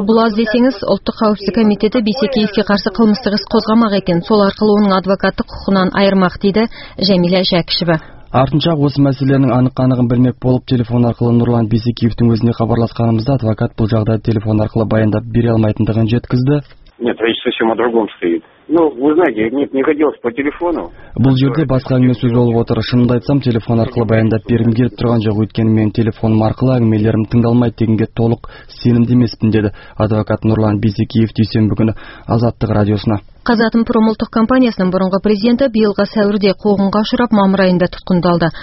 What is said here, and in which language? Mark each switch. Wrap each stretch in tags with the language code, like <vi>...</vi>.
<kk>Бұл аз десеңіз, ұлттық қауіпсіздік комитеті Бисекеевке қарсы қылмыстық іс қозғамақ екен. Сол арқылы оның адвокаттық құқығынан айырмақ, дейді Жәмила Жәкішева. Артынша осы мәселенің анық-қанығын білмек болып телефон арқылы Нұрлан Бисекеевтің өзіне хабарласқанымызда адвокат бұл жағдайды телефон арқылы баяндап бере алмайтындығын жеткізді.</kk> <ru>Нет, речь совсем о другом стоит. Вы знаете, не хотелось по телефону.</ru> <kk>Бұл жерде басқа әңгіме сөз болып отыр. Шынымды айтсам, телефон арқылы баяндап бергім келіп тұрған жоқ, өйткені мен телефон арқылы әңгімелерім тыңдалмайды дегенге толық сенімді емеспін, деді адвокат Нұрлан Бисекеев дүйсенбі күні Азаттық радиосына. Қазатомпром ұлттық компаниясының бұрынғы президенті биылғы сәуірде қуғынға ұшырап, мамыр айында тұтқындалды.</kk>